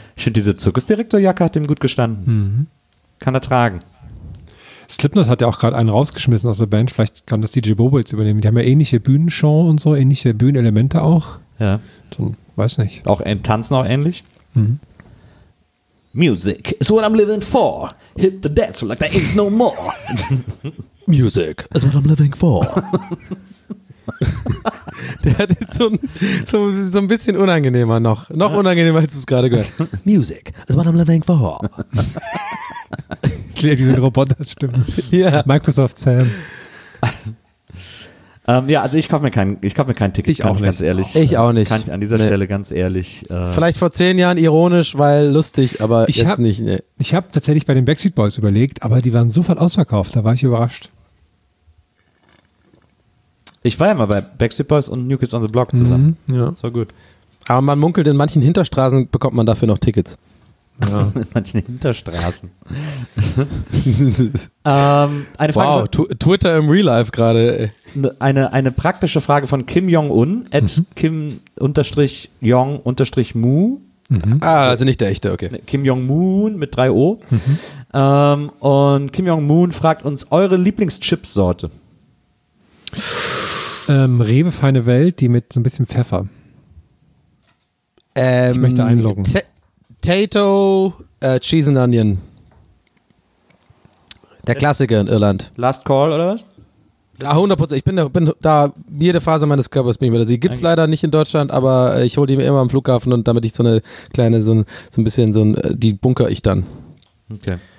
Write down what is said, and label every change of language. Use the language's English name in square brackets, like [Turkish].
[German] Stimmt, diese Zirkusdirektorjacke hat dem gut gestanden. Mhm. Kann er tragen. Slipknot hat ja auch gerade einen rausgeschmissen aus der Band. Vielleicht kann das DJ Bobo jetzt übernehmen. Die haben ja ähnliche Bühnenshow und so, ähnliche Bühnenelemente auch. Ja. So, weiß nicht. Auch tanzen auch ähnlich. Mhm. [English] Music is what I'm living for. Hit the dance floor like there ain't no more. Music is what I'm living for. [German] Der hat jetzt so ein bisschen unangenehmer noch. Noch unangenehmer, als du es gerade gehört. [English] Music is what I'm living for. [German] Ich liebe diese Roboterstimmen. Ja. Microsoft Sam. Ja, also ich kaufe mir kein Ticket, ganz ehrlich. Ich auch nicht. Kann ich an dieser Stelle ganz ehrlich. Vielleicht vor 10 Jahren ironisch, weil lustig, aber ich jetzt nicht. Nee. Ich habe tatsächlich bei den Backstreet Boys überlegt, aber die waren sofort ausverkauft, da war ich überrascht. Ich war ja mal bei Backstreet Boys und New Kids on the Block zusammen. Mhm, ja. Das war gut. Aber man munkelt, in manchen Hinterstraßen bekommt man dafür noch Tickets. Ja. In manchen Hinterstraßen. eine Frage. Wow, Twitter im Real Life gerade. Eine praktische Frage von Kim Jong-un, @Kim_Jong_Mu. Mhm. Ah, also nicht der echte, okay. Kim Jong-moon mit 3 O. Mhm. Und Kim Jong-moon fragt uns eure Lieblingschips-Sorte. Rewe Feine Welt, die mit so ein bisschen Pfeffer. Ich möchte einloggen. Potato, Cheese and Onion. Der Klassiker in Irland. Last Call oder was? Ja, 100%. Ich bin da, jede Phase meines Körpers bin ich mir da. Sie gibt es leider nicht in Deutschland, aber ich hole die mir immer am Flughafen und damit ich so eine kleine, die bunker ich dann. Okay.